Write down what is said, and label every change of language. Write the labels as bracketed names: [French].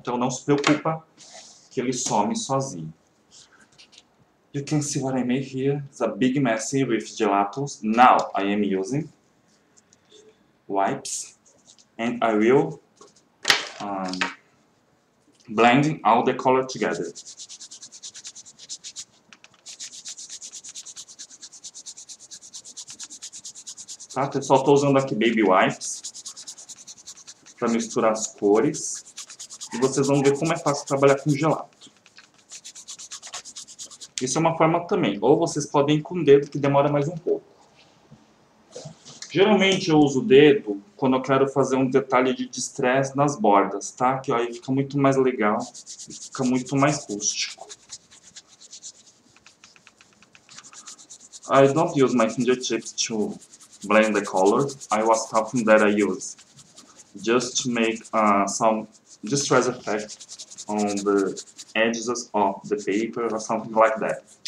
[Portuguese] Então não se preocupa que ele some sozinho. [English] You can see what I made here. It's a big mess with gelatos. Now I am using wipes and I will blend all the color together. [Portuguese] Tá, pessoal, estou usando aqui baby wipes para misturar as cores e vocês vão ver como é fácil trabalhar com gelato. Isso é uma forma também, ou vocês podem ir com o dedo que demora mais um pouco. Geralmente eu uso o dedo quando eu quero fazer um detalhe de distress nas bordas, tá? Que aí fica muito mais legal, fica muito mais rústico. [English] I don't use my fingertips to blend the color. I was talking that I use just to make some distress effect on the edges of the paper or something like that.